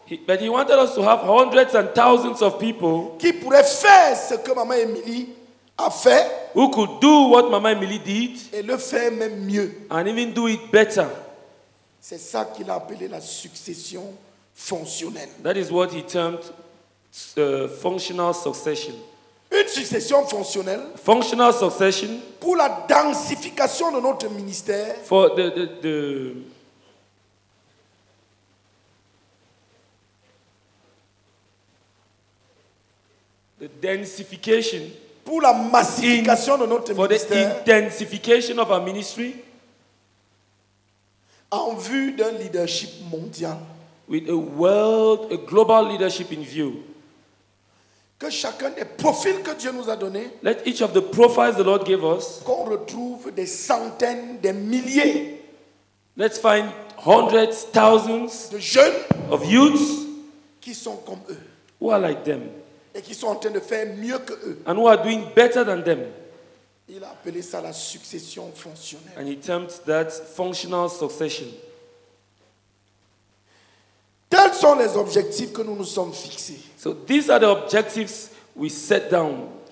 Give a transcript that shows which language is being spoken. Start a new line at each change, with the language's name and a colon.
English: But he wanted us to have hundreds and thousands of people
French: qui pourraient faire ce que Maman Emily a fait,
English: who could do what Maman Emily did,
French: et le faire même mieux,
English: and even do it better.
French: C'est ça qu'il a appelé la succession fonctionnelle.
English: That is what he termed functional succession.
French: Une succession fonctionnelle,
English: functional succession,
French: pour la densification de notre ministère,
English: for the densification,
French: pour la massification de notre
English: for
French: ministère,
English: the intensification of our ministry,
French: en vue d'un leadership mondial,
English: with a global leadership in view.
French: Que chacun des profils que Dieu nous a donné,
English: let each of the profiles the Lord gave us,
French: qu'on retrouve des centaines, des milliers,
English: let's find hundreds, thousands
French: de jeunes,
English: of youths,
French: qui sont comme eux,
English: who are like them,
French: et qui sont en train de faire mieux que eux,
English: and who are doing better than them.
French: Il a appelé ça la succession fonctionnelle,
English: and he termed that functional succession.
French: Tels sont les objectifs que nous nous sommes fixés.
English: So these are the objectives we set down.